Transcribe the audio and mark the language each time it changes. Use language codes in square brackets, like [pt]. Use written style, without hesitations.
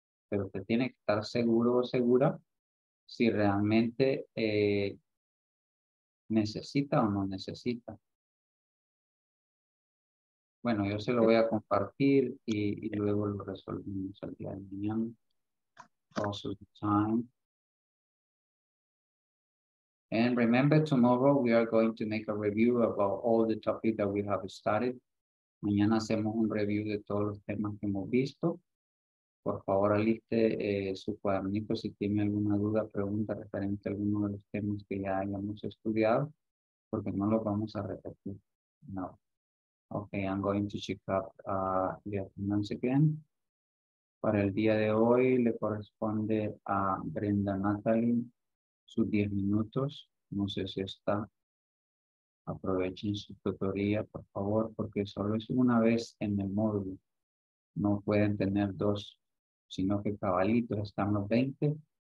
[es] Pero usted tiene que estar seguro o segura si realmente necesita o no necesita. Bueno, yo se lo voy a compartir y luego lo resolvemos el día de mañana. [en] Also the time. And remember, tomorrow we are going to make a review about all the topics that we have studied. [es] Mañana hacemos un review de todos los temas que hemos visto. Por favor, aliste su cuadernito si tiene alguna duda, pregunta referente a alguno de los temas que ya hayamos estudiado, porque no lo vamos a repetir. No. [en] Okay, I'm going to check up the attendance again. [es] Para el día de hoy le corresponde a Brenda Natalie sus 10 minutos. No sé si está. Aprovechen su tutoría, por favor, porque solo es una vez en el módulo. No pueden tener dos, sino que cabalitos están los 20.